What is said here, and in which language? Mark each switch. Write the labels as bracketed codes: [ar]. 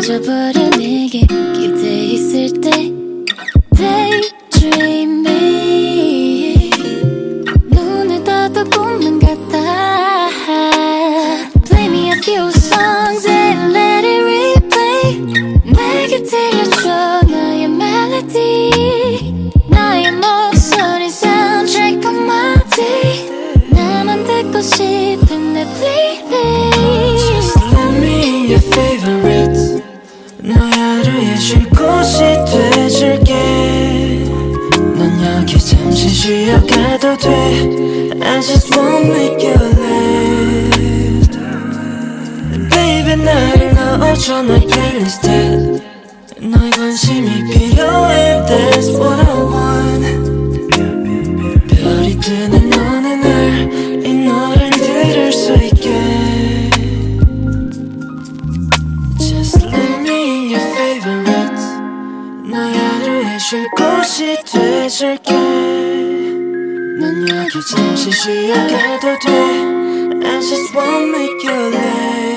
[ko] 버려 내게 기대 있을 때 daydreaming. 눈을 떠도 꿈만 같아. [en] Play me a few songs and let it replay. [ko] 내게 들려줘 너의 melody. 나의 목소리 [en] soundtrack of my day. [ko] 나만 듣고 싶은 내 playlist. [en] Just let me your favorite. [ko] 너의 하루에 쉴 곳이 돼줄게. 넌 여기 잠시 쉬어가도 돼. [en] I just won't make you late. Baby [ko] 나를 넣어. [en] about you on my playlist. [ko] 너의 관심이 필요해. [en] That's what I want. [ko] 별이 뜨는 너네 날 이 노래를 들을 수 있게. [en] Just leave me in your favorite. [ko] 너의 하루에 쉴 곳이 돼줄게. 넌 여기 잠시 쉬어가도 돼. [en] I just won't make you last.